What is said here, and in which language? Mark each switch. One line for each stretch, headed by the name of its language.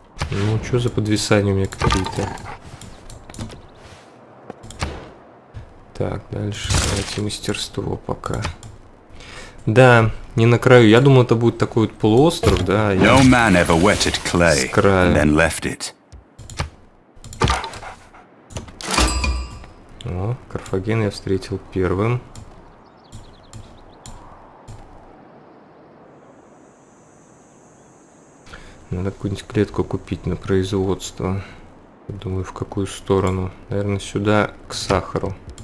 Russian: Ну, что за подвисания у меня какие-то? Так, дальше давайте мастерство пока. Да, не на краю. Я думал, это будет такой вот полуостров, да?
English: No man ever wetted clay and then left it.
Russian: О, Карфаген я встретил первым. Надо какую-нибудь клетку купить на производство. Думаю, в какую сторону. Наверное, сюда, к сахару.